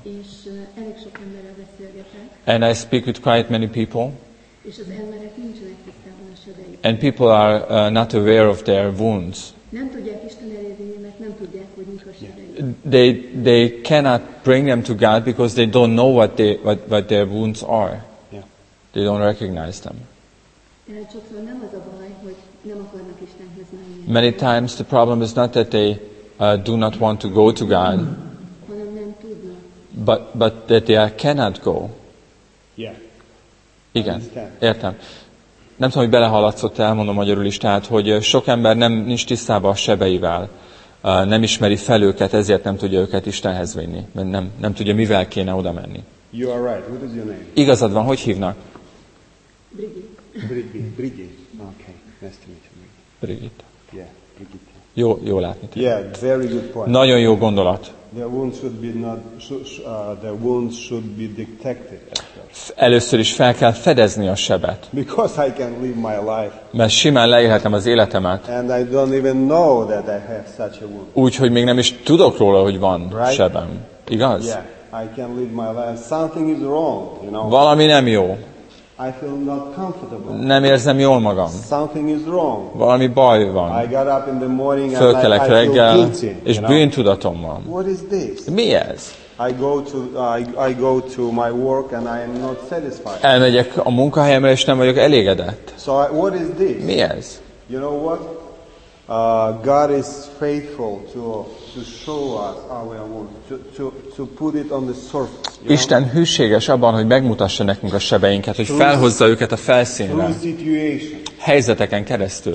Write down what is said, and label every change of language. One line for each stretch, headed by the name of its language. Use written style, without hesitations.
Hungarian: És elég sok emberrel beszélgetek.
English: And I speak with quite many people.
Hungarian: És az emberek nincsenek tisztában a sebeik.
English: And people are not aware of their wounds.
Hungarian: Nem tudják Isten elé vinni, mert nem tudják, hogy mik a sebeik.
English: They cannot bring them to God because they don't know what their wounds are. Yeah. They don't recognize them.
Hungarian: Sokszor nem az a baj, hogy nem akarnak Istenhez menni.
English: Many times the problem is not that they do not want to go to God,
Hungarian: hanem nem tudnak.
English: But that they cannot go. Yeah.
Hungarian: Igen. Értem. Nem tudom, hogy belehaladszott, elmondom magyarul is, tehát, hogy sok ember nincs tisztában a sebeivel. Nem ismeri fel őket, ezért nem tudja őket Istenhez vinni. Mert nem tudja, mivel kéne oda menni.
English: You are right. What is your name?
Hungarian: Igazad van, hogy hívnak?
English: Brigitte. Okay. Nice to meet you, Brigitte. Yeah, Brigitte.
Hungarian: Jó látni te.
English: Yeah, very good point.
Hungarian: Nagyon jó gondolat.
English: The wounds should be detected.
Hungarian: Először is fel kell fedezni a sebet.
English: Because I can live my life.
Hungarian: Mert simán leélhetem az életemet.
English: And I don't even know that I have such a wound.
Hungarian: Úgyhogy még nem is tudok róla, hogy van sebem. Igaz?
English: Yeah, I can live my life. Something is wrong, you know.
Hungarian: Valami nem jó.
English: I feel not comfortable.
Hungarian: Nem érzem jól magam.
English: Something is wrong.
Hungarian: Valami baj van.
English: I got up in the morning and
Hungarian: fölkelek reggel, és bűntudatom van.
English: What is this?
Hungarian: Mi ez?
English: I go to my work and I am not satisfied.
Hungarian: Elmegyek a munkahelyemre és nem vagyok elégedett.
English: So what is this?
Hungarian: Mi ez?
English: You know what? God is faithful to show us our wounds, to put it on the surface.
Hungarian: Isten hűséges abban, hogy megmutassa nekünk a sebeinket, hogy felhozza őket a felszínre. Helyzeteken keresztül.